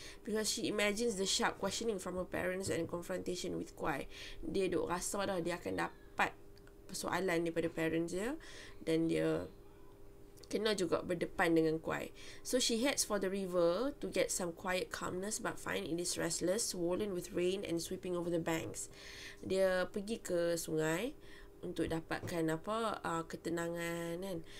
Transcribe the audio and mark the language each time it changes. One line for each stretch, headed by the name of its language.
English: Because she imagines the sharp questioning from her parents and confrontation with Kuai.
Malay: Dia duk rasa dah dia akan dapat persoalan daripada parents dia. Dan dia kena juga berdepan dengan Kuai.
English: So she heads for the river to get some quiet calmness, but find it is restless, swollen with rain and sweeping over the banks.
Malay: Dia pergi ke sungai untuk dapatkan apa, ketenangan kan.